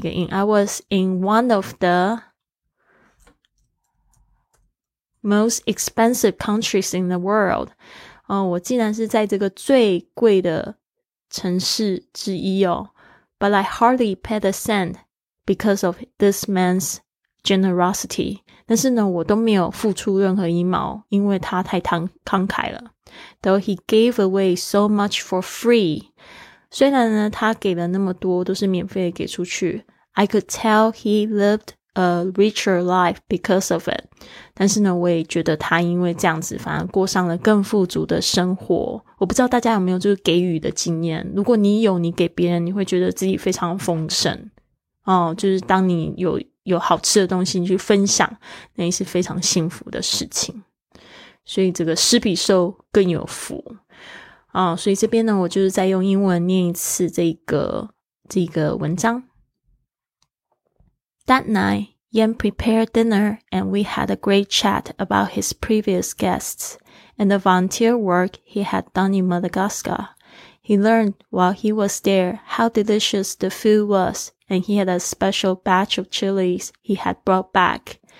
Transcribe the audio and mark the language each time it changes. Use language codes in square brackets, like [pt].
[en] I was in one of the most expensive countries in the world. [zh] 我竟然是在这个最贵的城市之一哦。 [en] But I hardly paid a cent. Because of this man's generosity. [zh] 但是呢，我都没有付出任何一毛，因为他太慷慨了。 [en] Though he gave away so much for free. [zh] 虽然呢，他给了那么多，都是免费的给出去。 [en] I could tell he lived a richer life because of it. [zh] 但是呢，我也觉得他因为这样子，反而过上了更富足的生活。我不知道大家有没有就是给予的经验。如果你有，你给别人，你会觉得自己非常丰盛。就是当你有好吃的东西你去分享，那也是非常幸福的事情。所以这个施比受更有福。所以这边呢，我就是再用英文念一次这个文章。 [en] That night, Yan prepared dinner and we had a great chat about his previous guests and the volunteer work he had done in Madagascar. He learned while he was there how delicious the food was. And he had a special batch of chilies he had brought back.